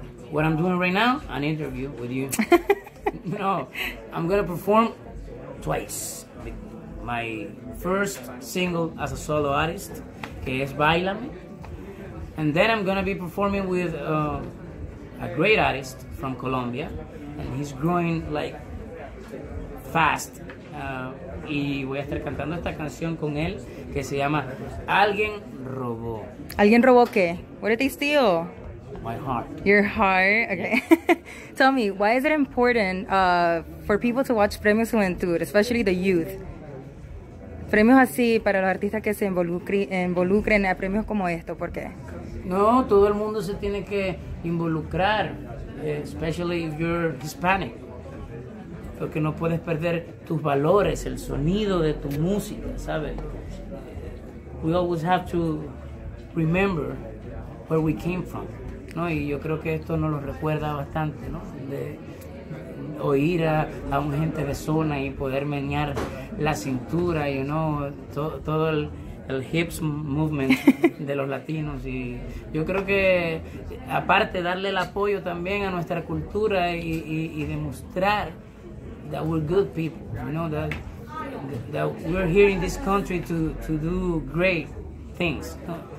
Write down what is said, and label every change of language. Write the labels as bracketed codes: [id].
[en] What I'm doing right now, an interview with you. No, I'm going to perform twice. My first single as a solo artist, [es] que es Bailame. [en] And then I'm going to be performing with a great artist from Colombia. And he's growing, like, fast. [es] Y voy a estar cantando esta canción con él, que se llama Alguien Robó. ¿Alguien robó qué? [en] What did they steal? My heart. Your heart? Okay. Tell me, why is it important for people to watch Premio Juventud, especially the youth? [es] Premios así para los artistas que se involucren a premios como esto, ¿por qué? No, todo el mundo se tiene que involucrar, [en] especially if you're Hispanic. [es] Porque no puedes perder tus valores, el sonido de tu música, ¿sabes? [en] We always have to remember where we came from, ¿no? [es] Y yo creo que esto nos lo recuerda bastante, ¿no? De oír a un gente de zona y poder menear la cintura, you know, todo el [en] hips movement [es] de los latinos. Y yo creo que, aparte, darle el apoyo también a nuestra cultura y demostrar [en] that we're good people, you know, that we're here in this country to do great things, [es] ¿no?